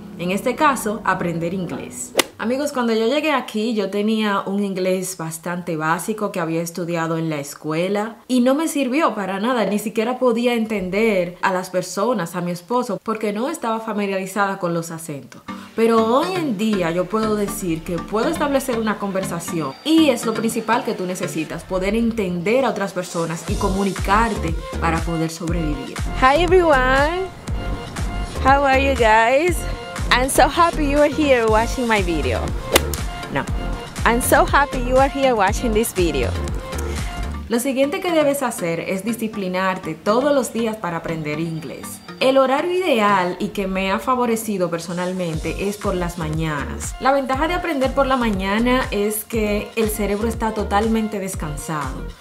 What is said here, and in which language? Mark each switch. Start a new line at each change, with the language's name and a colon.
Spanish: En este caso, aprender inglés. Amigos, cuando yo llegué aquí, yo tenía un inglés bastante básico que había estudiado en la escuela y no me sirvió para nada, ni siquiera podía entender a las personas, a mi esposo, porque no estaba familiarizada con los acentos. Pero hoy en día yo puedo decir que puedo establecer una conversación y es lo principal que tú necesitas, poder entender a otras personas y comunicarte para poder sobrevivir.
English: Hi everyone. How are you guys? I'm so happy you are here watching my video. No, I'm so happy you are here watching this video.
Spanish: Lo siguiente que debes hacer es disciplinarte todos los días para aprender inglés. El horario ideal y que me ha favorecido personalmente es por las mañanas. La ventaja de aprender por la mañana es que el cerebro está totalmente descansado.